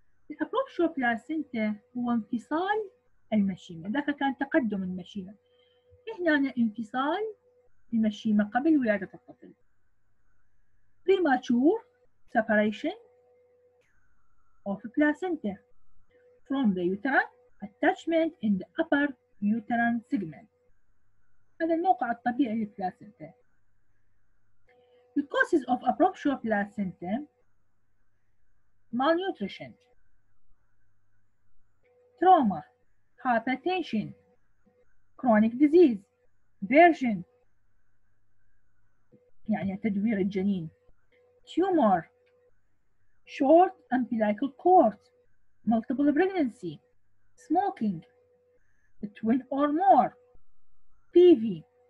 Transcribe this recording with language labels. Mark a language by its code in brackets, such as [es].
[ar] الأبروبشو بلاسينتا هو انفصال المشيمة. ذاك كان تقدم المشيمة. هنا انفصال المشيمة قبل ولادة الطفل. [en] Premature separation of placenta from the uterine attachment in the upper uterine segment. [ar] هذا الموقع الطبيعي للبلاسينتا. [en] The causes of abruption placenta malnutrition. Trauma, hypertension, chronic disease, version, [ar] يعني تدوير الجنين, [en] tumor, short umbilical cord, multiple pregnancy, smoking, twin or more, PV.